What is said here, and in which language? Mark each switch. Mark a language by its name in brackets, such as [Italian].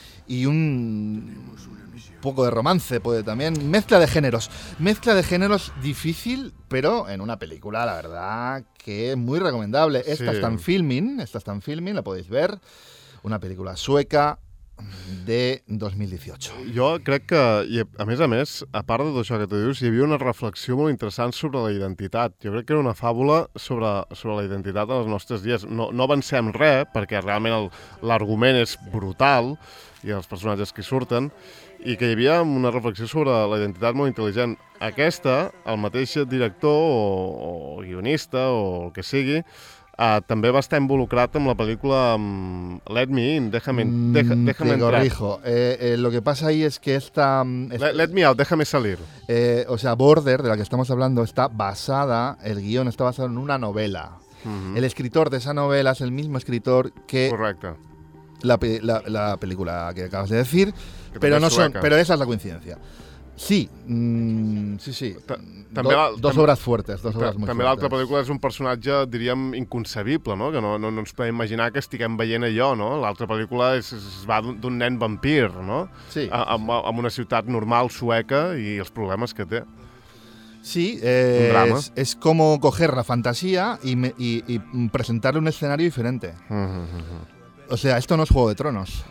[Spanish] Y un poco de romance, puede también. Mezcla de géneros. Mezcla de géneros difícil, pero en una película, la verdad, que es muy recomendable. Esta está en Filmin, la podéis ver. Una película sueca de 2018. [Catalan] Jo crec que, a més, a part de tot això que tu dius, hi havia una reflexió molt interessant sobre la identitat. Jo crec que era una fàbula sobre la identitat en els nostres dies. No avancem res, perquè realment l'argument és brutal, i els personatges que surten, i que hi havia una reflexió sobre la identitat molt intel·ligent. Aquesta, el mateix director o guionista o el que sigui, també va estar involucrat amb la pel·lícula Let Me In, [Spanish] déjame entrar. Te corrijo. Lo que pasa ahí es que esta... Let Me Out, déjame salir. Border, de la que estamos hablando, está basada, el guión está basado en una novela. Uh-huh. El escritor de esa novela es el mismo escritor que... Correcto. La película que acabas de decir, pero no son, pero esa es la coincidencia. Sí, sí. Dos obres fuertes. [Catalan] També l'altra película és un personatge, diríem, inconcebible, no? Que no ens podem imaginar que estiguem veient allò, no? L'altra película es va d'un nen vampir, no? Sí. Amb una ciutat normal sueca i els problemes que té. [Spanish] Sí, es como coger la fantasía y presentarle un escenario diferente. O sea, esto no es Juego de Tronos.